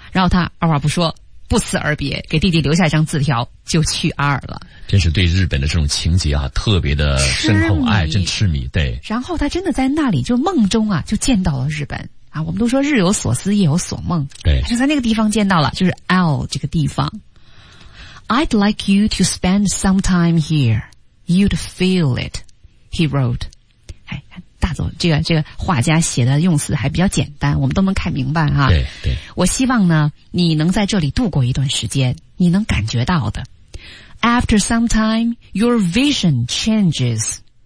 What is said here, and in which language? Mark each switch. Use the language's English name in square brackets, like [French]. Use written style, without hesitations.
[Chinese] 然后他二话不说，不辞而别，给弟弟留下一张字条，就去阿尔了。真是对日本的这种情节啊，特别的深厚爱，真痴迷。对，然后他真的在那里就梦中啊，就见到了日本啊。我们都说日有所思，夜有所梦。对，他就在那个地方见到了，就是 L 这个地方。 [English] I'd like you to spend some time here. You'd feel it. He wrote. [Chinese] 哎，大佐，这个画家写的用词还比较简单，我们都能看明白啊。对对，我希望呢，你能在这里度过一段时间，你能感觉到的。 [English] After some time, your vision changes.